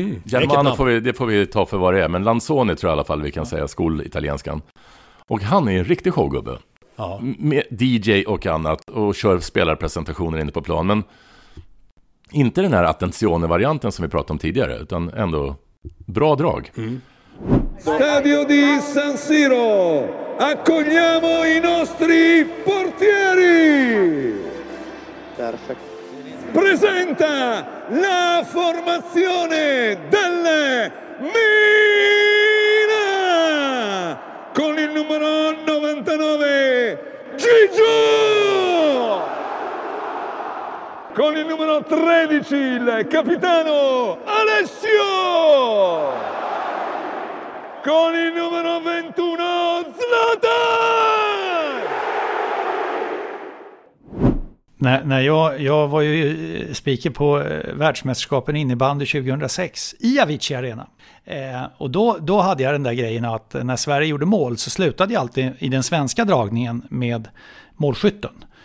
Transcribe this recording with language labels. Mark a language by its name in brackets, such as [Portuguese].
[Swedish] Germano, får vi ta för vad det är, men Lanzoni tror jag i alla fall vi kan säga, skolitalienskan. Och han är en riktig showgubbe. Ja. Med DJ och annat och kör spelarpresentationer inne på plan. Men inte den här attenzione-varianten som vi pratade om tidigare, utan ändå bra drag. Mm. [Italian] Stadio di San Siro, accogliamo i nostri portieri. [English] Perfect. [Italian] Presenta la formazione del Milan con il numero 99 Gigio, con il numero 13 il capitano Alessio, con il numero 21 Zlatan. [Swedish] När jag var ju speaker på världsmästerskapen innebandy 2006 i Avicii Arena. Och då hade jag den där grejen att när Sverige gjorde mål så slutade jag alltid i den svenska dragningen med målskytten.